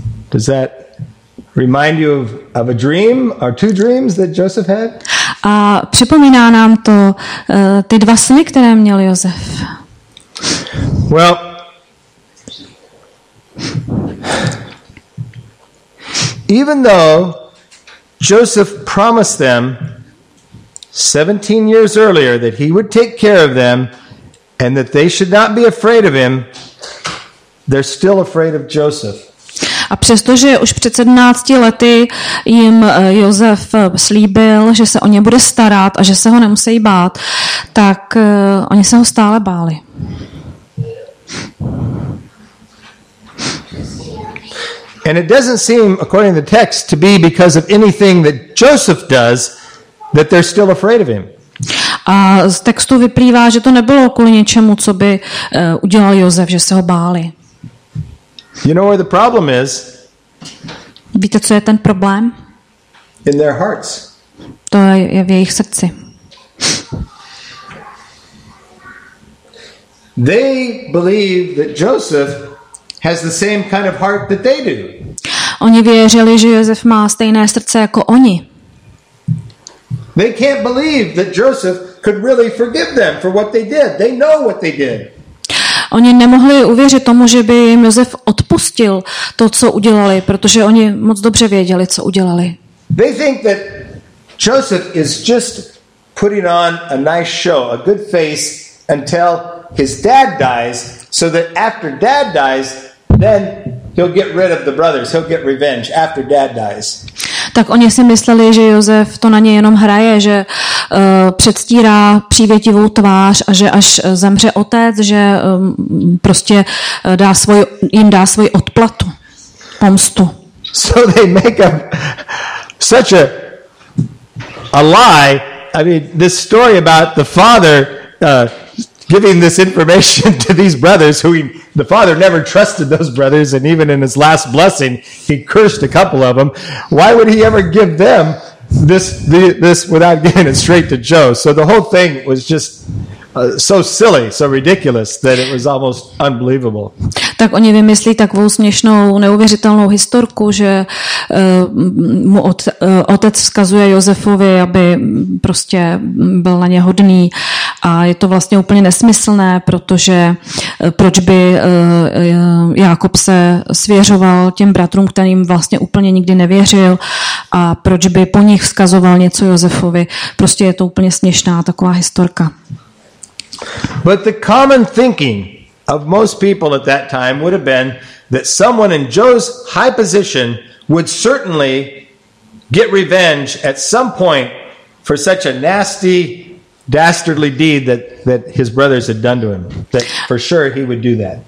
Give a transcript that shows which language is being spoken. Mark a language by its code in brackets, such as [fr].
[en] Does that remind you of a dream or two dreams that Joseph had? [cs] A připomíná nám to ty dva sny, které měl Josef. [en] Well, even though Joseph promised them 17 years earlier that he would take care of them and that they should not be afraid of him, they're still afraid of Joseph. [cs] A přestože už před 17 lety jim Josef slíbil, že se o ně bude starat a že se ho nemusí bát, tak oni se ho stále báli. [en] And it doesn't seem, according to the text, to be because of anything that Joseph does that they're still afraid of him. [cs] A z textu vyplývá, že to nebylo kvůli něčemu, co by udělal Josef, že se ho báli. [en] You know where the problem is? [cs] Víte, co je ten problém? [en] In their hearts. [cs] To je v jejich srdci. [en] They believe that Joseph has the same kind of heart that they do. [cs] Oni věřili, že Josef má stejné srdce jako oni. [en] They can't believe that Joseph could really forgive them for what they did. They know what they did. [cs] Oni nemohli uvěřit tomu, že by jim Josef odpustil to, co udělali, protože oni moc dobře věděli, co udělali. [en] They think that Joseph is just putting on a nice show, a good face until his dad dies, so that after dad dies, then he'll get rid of the brothers. He'll get revenge after dad dies. [cs] Tak oni si mysleli, že Josef to na ně jenom hraje, že předstírá přívětivou tvář a že až zemře otec, že prostě dá svoj, jim dá svoji odplatu, pomstu. [en] So they make up such a lie. I mean, this story about the father giving this information to these brothers, who the father never trusted those brothers, and even in his last blessing, he cursed a couple of them. Why would he ever give them this without giving it straight to Joe? So the whole thing was just so silly, so ridiculous that it was almost unbelievable. [cs] Tak oni vymyslí takovou směšnou, neuvěřitelnou historku, že mu otec vzkazuje Josefovi, aby prostě byl na ně hodný. A je to vlastně úplně nesmyslné, protože proč by Jákob se svěřoval těm bratrům, kterým vlastně úplně nikdy nevěřil, a proč by po nich vzkazoval něco Josefovi. Prostě je to úplně směšná taková historka. [en] But the common thinking of most people at that time would have been that someone in Joe's high position would certainly get revenge at some point for such a nasty, dastardly deed that his brothers had done to him, that for sure he would do that.